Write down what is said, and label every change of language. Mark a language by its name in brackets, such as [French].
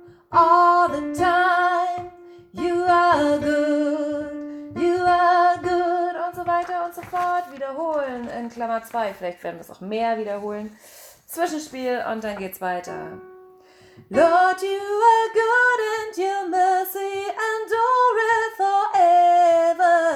[English] All the time, you are good, you are good. [German] Und so weiter und so fort. Wiederholen in Klammer 2. Vielleicht werden wir es auch mehr wiederholen. Zwischenspiel und dann geht's weiter. [English] Lord, you are good and your mercy endureth forever.